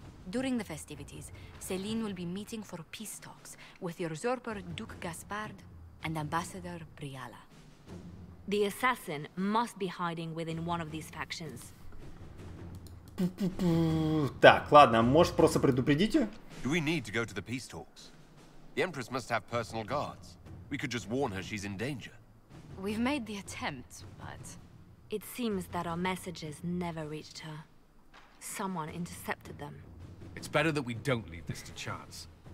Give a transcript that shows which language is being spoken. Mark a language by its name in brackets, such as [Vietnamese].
[English] During the festivities, Celine will be meeting for peace talks with the usurper Duke Gaspard and Ambassador Briala. The assassin must be hiding within one of these factions. [Russian] Так, ладно, может просто предупредите? [English] Do we need to go to the peace talks? The Empress must have personal guards. We could just warn her she's in danger. We've made the attempt, but it seems that our messages never reached her. Someone intercepted them. It's better that we don't leave this to chance.